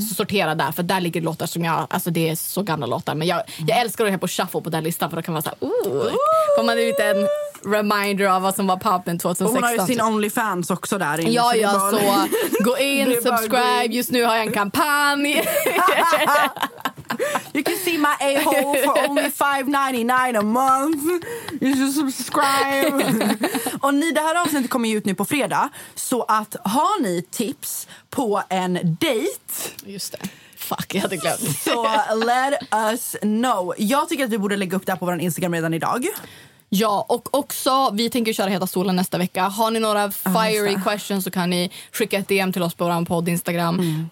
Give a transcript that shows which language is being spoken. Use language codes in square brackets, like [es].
[sv] Så sortera där, för där ligger låtar som jag... Alltså det är så gamla låtar. Men jag älskar att höra på shuffle på den listan. För då kan man säga, får man en liten reminder av vad som var poppen 2016. Och hon har ju sin OnlyFans också där inne. Ja, ja, så gå in, subscribe. Just nu har jag en kampanj. [en] You can see my a-hole for only $5.99 a month. You should subscribe. [sv] Och ni, det här avsnittet kommer ju ut nu på fredag. Så att har ni tips på en date? Just det. Fuck, jag hade glömt. [en] Så let us know. [sv] Jag tycker att vi borde lägga upp det här på vår Instagram redan idag. Ja, och också, vi tänker köra Heta Solen nästa vecka. Har ni några fiery questions, så kan ni skicka ett DM till oss på vår podd Instagram. Mm.